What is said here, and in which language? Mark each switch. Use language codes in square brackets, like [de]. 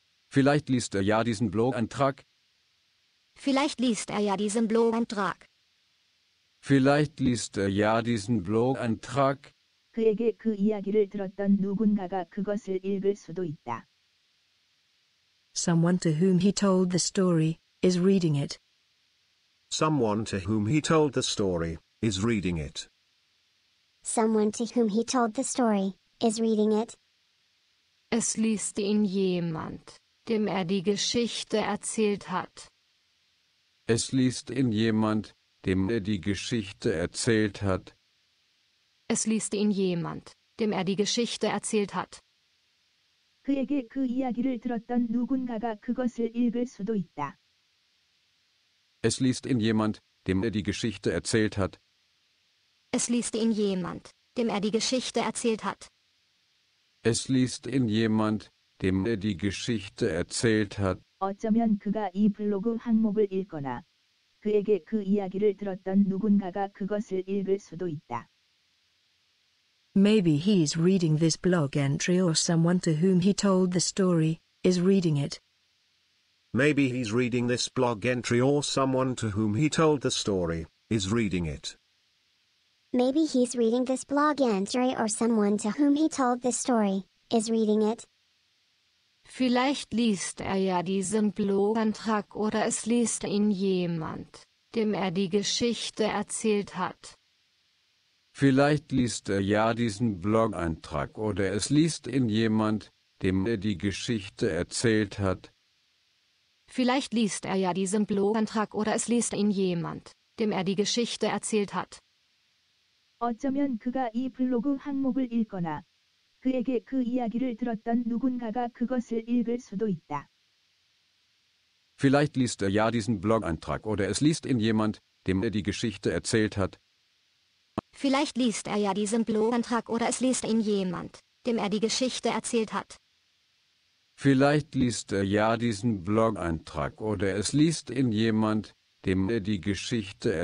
[de] Vielleicht liest er ja diesen Blog-Eintrag. Vielleicht liest er ja diesen Blog-Eintrag. Vielleicht liest er ja diesen Blog-Eintrag. [ko] 그에게 그 이야기를 들었던 누군가가 그것을 읽을 수도 있다. [en] Someone to whom he told the story is reading it. Someone to whom he told the story is reading it. Someone to whom he told the story is reading it. [de] Es liest ihn jemand, dem er die Geschichte erzählt hat. Es liest ihn jemand, dem er die Geschichte erzählt hat. Es liest ihn jemand, dem er die Geschichte erzählt hat. [ko] 그에게 그 이야기를 들었던 누군가가 그것을 읽을 수도 있다. [de] Es liest ihn jemand, dem er die Geschichte erzählt hat. Es liest ihn jemand, dem er die Geschichte erzählt hat. Es liest ihn jemand, dem er die Geschichte erzählt hat. [ko] 어쩌면 그가 이 블로그 항목을 읽거나 그에게 그 이야기를 들었던 누군가가 그것을 읽을 수도 있다. [en] Maybe he's reading this blog entry, or someone to whom he told the story is reading it. Maybe he's reading this blog entry or someone to whom he told the story is reading it. Maybe he's reading this blog entry or someone to whom he told the story is reading it. [de] Vielleicht liest er ja diesen Blogantrag, oder es liest ihn jemand, dem er die Geschichte erzählt hat. Vielleicht liest er ja diesen Blog-Eintrag, oder es liest ihn jemand, dem er die Geschichte erzählt hat. Vielleicht liest er ja diesen Blog-Eintrag, oder es liest ihn jemand, dem er die Geschichte erzählt hat. [ko] 어쩌면 그가 이 블로그 항목을 읽거나 그에게 그 이야기를 들었던 누군가가 그것을 읽을 수도 있다. [de] Vielleicht liest er ja diesen Blog-Eintrag, oder es liest ihn jemand, dem er die Geschichte erzählt hat. Vielleicht liest er ja diesen Blogantrag, oder es liest ihn jemand, dem er die Geschichte erzählt hat. Vielleicht liest er ja diesen Blogantrag, oder es liest ihn jemand, dem er die Geschichte erzählt